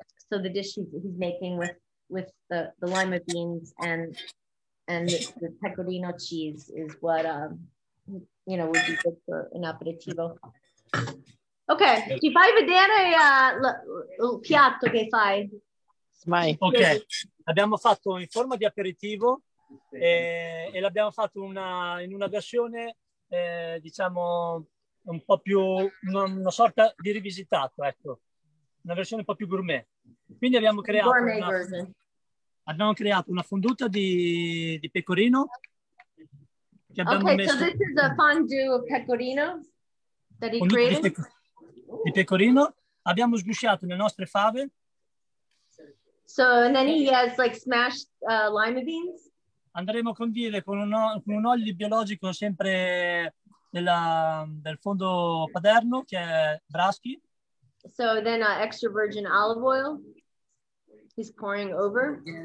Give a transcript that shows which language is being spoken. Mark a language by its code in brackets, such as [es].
[en] So the dish he's making with the lima beans and the pecorino cheese is what, you know, would be good for an aperitivo. [it] Okay, ti fai vedere il piatto che fai? Mai. Okay, abbiamo fatto in forma di aperitivo. E l'abbiamo fatto in una versione, diciamo, un po' più, una sorta di rivisitato, ecco, una versione un po' più gourmet. Quindi abbiamo creato una fonduta di pecorino. Che abbiamo okay, messo, [en] so this is a fondue of pecorino that he created? [it] Di pecorino. Abbiamo sgusciato le nostre fave. [en] So, and then he has like smashed lima beans? [it] Andremo a condire con un olio biologico sempre del fondo paderno, che è Braschi. [en] So then extra virgin olive oil, he's pouring over.